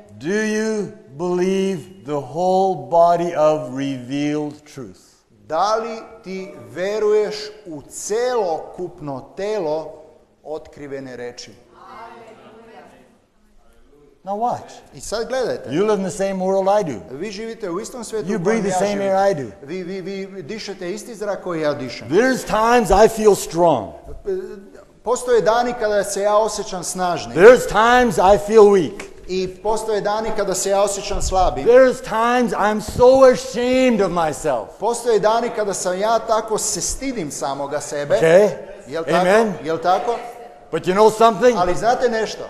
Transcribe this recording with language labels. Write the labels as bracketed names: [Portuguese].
[English] do you believe the whole body of revealed truth? [Croatian] Da li ti vjeruješ u celokupno telo otkrivene reči? [English] Now watch. [Croatian] I sad gledajte. [English] You live in the same world I do. [Croatian] Vi živite u istom svijetu. [English] You breathe the same air I do. [Croatian] Vi dišete isti zrak koji ja dišem. [English] There's times I feel strong. [Croatian] Postoje dani kada se ja osjećam snažni. [English] There's times I feel weak. [Croatian] I postoje dani kada se ja osjećam slabim. [English] There's times I'm so ashamed of myself. [Croatian] Postoje dani kada sam ja tako se stidim samoga sebe. [English] Okay. [Croatian] Jel tako? Amen. Jel tako? [English] But you know something? [Croatian] Ali znate nešto?